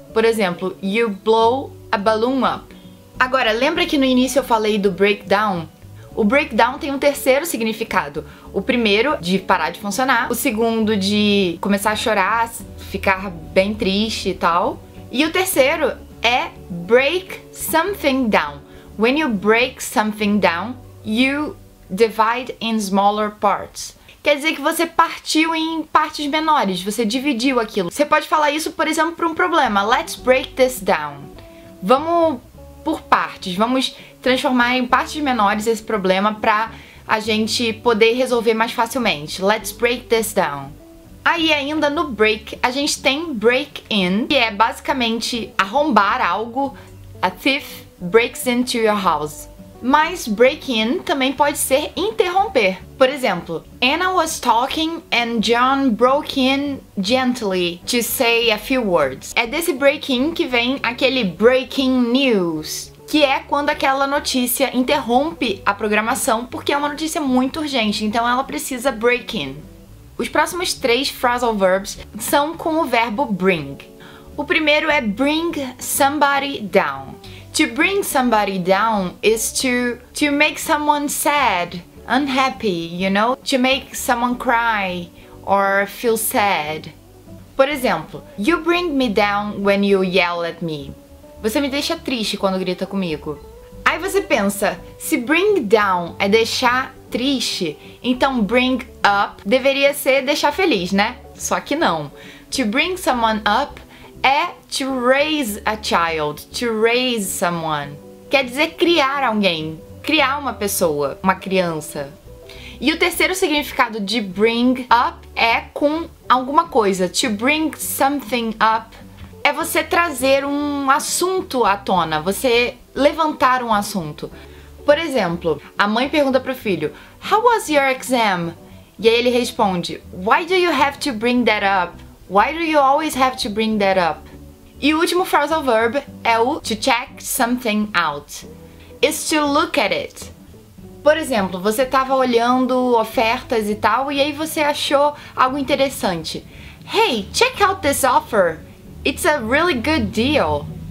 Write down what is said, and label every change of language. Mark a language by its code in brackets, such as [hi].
[pt] Por exemplo, [en] you blow a balloon up. [pt] Agora, lembra que no início eu falei do breakdown? O breakdown tem um terceiro significado. O primeiro, de parar de funcionar. O segundo, de começar a chorar, ficar bem triste e tal. E o terceiro é [en] break something down. When you break something down, you divide in smaller parts. [pt] Quer dizer que você partiu em partes menores, você dividiu aquilo. Você pode falar isso, por exemplo, para um problema. [en] Let's break this down. [pt] Vamos por partes, vamos transformar em partes menores esse problema pra a gente poder resolver mais facilmente. [en] Let's break this down. [pt] Aí ainda no break, a gente tem break in, que é basicamente arrombar algo. [en] A thief breaks into your house. [pt] Mas break in também pode ser interromper. Por exemplo, [en] Anna was talking and John broke in gently to say a few words. [pt] É desse break in que vem aquele breaking news, que é quando aquela notícia interrompe a programação porque é uma notícia muito urgente, então ela precisa break in. Os próximos três phrasal verbs são com o verbo bring. O primeiro é bring somebody down. [en] To bring somebody down is to make someone sad, unhappy, you know? To make someone cry or feel sad. [pt] Por exemplo, [en] you bring me down when you yell at me. [pt] Você me deixa triste quando grita comigo. Aí você pensa, se bring down é deixar triste, então bring up deveria ser deixar feliz, né? Só que não. [en] To bring someone up é to raise a child, to raise someone. [pt] Quer dizer criar alguém, criar uma pessoa, uma criança. E o terceiro significado de bring up é com alguma coisa. [en] To bring something up [pt] é você trazer um assunto à tona, você levantar um assunto. Por exemplo, a mãe pergunta pro filho, [en] how was your exam? [pt] E aí ele responde, [en] why do you have to bring that up? Why do you always have to bring that up? [pt] E o último phrasal verb é o to check something out. It's to look at it. Por exemplo, você tava olhando ofertas e tal, e aí você achou algo interessante. [en] Hey, check out this offer. It's a really good deal.